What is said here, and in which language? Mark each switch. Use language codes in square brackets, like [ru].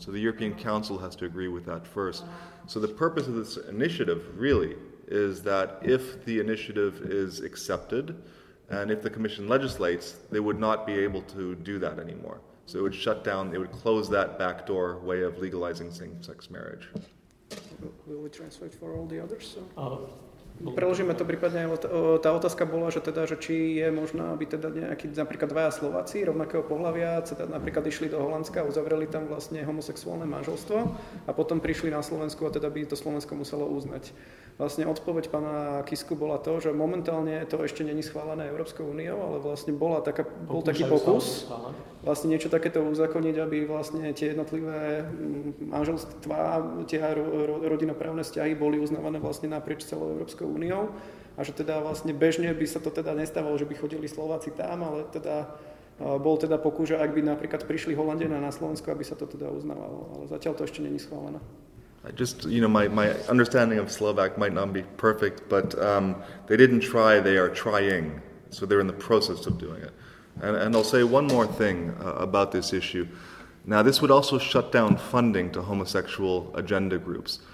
[en] So the European Council has to agree with that first. So the purpose of this initiative, really, is that if the initiative is accepted, and if the Commission legislates, they would not be able to do that anymore. So it would shut down, it would close that backdoor way of legalizing same-sex marriage. Will we translate for all the others? [sk] Preložíme to prípadne, tá otázka bola, že teda, že či je možná, aby teda nejaký, napríklad dvaja Slováci rovnakého pohlavia, teda napríklad išli do Holandska a uzavreli tam vlastne homosexuálne manželstvo a potom prišli na Slovensku a teda by to Slovensko muselo uznať. Vlastne odpoveď pána Kisku bola to, že momentálne to ešte není schválené Európskou úniou, ale vlastne bola taká, bol taký pokus vlastne niečo takéto uzakoniť, aby vlastne tie jednotlivé manželstvá, tie rodinoprávne vzťahy boli uznávané vlastne naprieč celou Európskou úniou a že teda vlastne bežne by sa to teda nestávalo, že by chodili Slováci tam, ale teda bol teda pokus, že ak by napríklad prišli Holandia na Slovensko, aby sa to teda uznávalo, ale zatiaľ to ešte není schválené. [en] I just, you know, my understanding of Slovak might not be perfect, but they didn't try, they are trying. So they're in the process of doing it. And I'll say one more thing about this issue. Now, this would also shut down funding to homosexual agenda groups.